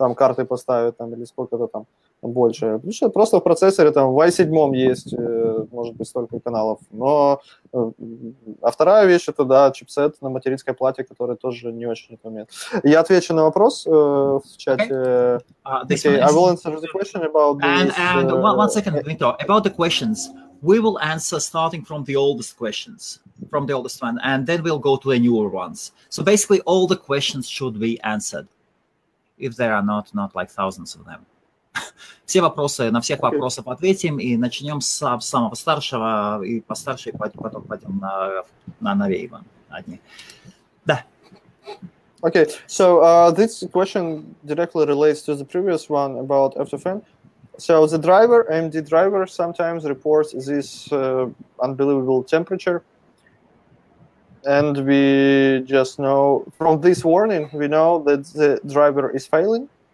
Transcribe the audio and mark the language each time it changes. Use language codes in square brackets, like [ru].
[ru] там карты поставят там, или сколько-то там больше. Просто в процессоре там в i7 есть, может быть, столько каналов. Но, а вторая вещь – это, да, чипсет на материнской плате, который тоже не очень умеет. Я отвечу на вопрос в чате. [en] Okay, I will answer the question about this. One second, Dmytro. About the questions, we will answer starting from the oldest questions, from the oldest one, and then we'll go to the newer ones. So basically all the questions should be answered, if there are not like thousands of them. [ru] Все вопросы, на всех вопросов ответим и начнем с самого старшего и постарше, и потом пойдем на новее его. Одни. Да. [en] Okay, so this question directly relates to the previous one about F2Fan. So the driver, AMD driver, sometimes reports this unbelievable temperature. And we just know, from this warning, we know that the driver is failing.